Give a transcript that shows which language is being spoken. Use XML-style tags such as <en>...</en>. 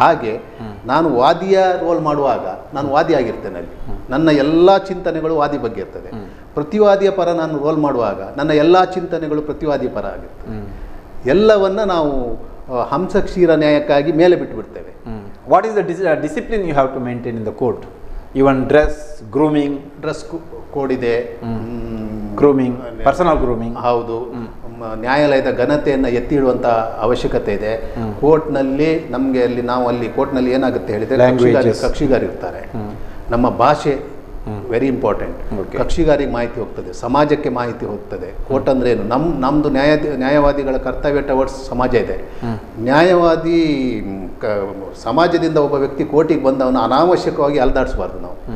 <kn>ಹಾಗೆ ನಾನು ವಾದಿಯ ರೋಲ್ ಮಾಡುವಾಗ ನಾನು ವಾದಿ ಆಗಿರ್ತೇನೆ ಅಲ್ಲಿ, ನನ್ನ ಎಲ್ಲ ಚಿಂತನೆಗಳು ವಾದಿ ಬಗ್ಗೆ ಇರ್ತದೆ. ಪ್ರತಿವಾದಿಯ ಪರ ನಾನು ರೋಲ್ ಮಾಡುವಾಗ ನನ್ನ ಎಲ್ಲ ಚಿಂತನೆಗಳು ಪ್ರತಿವಾದಿ ಪರ ಆಗಿರ್ತವೆ. ಎಲ್ಲವನ್ನು ನಾವು ಹಂಸಕ್ಷೀರ ನ್ಯಾಯಕ್ಕಾಗಿ ಮೇಲೆ ಬಿಟ್ಟುಬಿಡ್ತೇವೆ.</kn> <en>What is the discipline you have to maintain in the court? Even dress, grooming. Dress code</en> <kn>ide.</kn> <en>Grooming, personal grooming.</en> <kn>ಹೌದು. ನ್ಯಾಯಾಲಯದ ಘನತೆಯನ್ನು ಎತ್ತಿ ಇಡುವಂತಹ ಅವಶ್ಯಕತೆ ಇದೆ. ಕೋರ್ಟ್ನಲ್ಲಿ ನಮಗೆ ಅಲ್ಲಿ ನಾವು ಅಲ್ಲಿ ಕೋರ್ಟ್ನಲ್ಲಿ ಏನಾಗುತ್ತೆ ಹೇಳಿದ್ರೆ ಕಕ್ಷಿಗಾರಿರ್ತಾರೆ. ನಮ್ಮ ಭಾಷೆ</kn> <en>Very important.</en> <kn>ಕಕ್ಷಿಗಾರಿಗೆ ಮಾಹಿತಿ ಹೋಗ್ತದೆ, ಸಮಾಜಕ್ಕೆ ಮಾಹಿತಿ ಹೋಗ್ತದೆ. ಕೋರ್ಟ್ ಅಂದ್ರೆ ಏನು? ನಮ್ದು ನ್ಯಾಯವಾದಿಗಳ ಕರ್ತವ್ಯ ಟವರ್ಡ್ಸ್ ಸಮಾಜ ಇದೆ. ನ್ಯಾಯವಾದಿ ಸಮಾಜದಿಂದ ಒಬ್ಬ ವ್ಯಕ್ತಿ ಕೋರ್ಟಿಗೆ ಬಂದವನು ಅನಾವಶ್ಯಕವಾಗಿ ಅಲ್ದಾಡಿಸಬಾರ್ದು ನಾವು.</kn>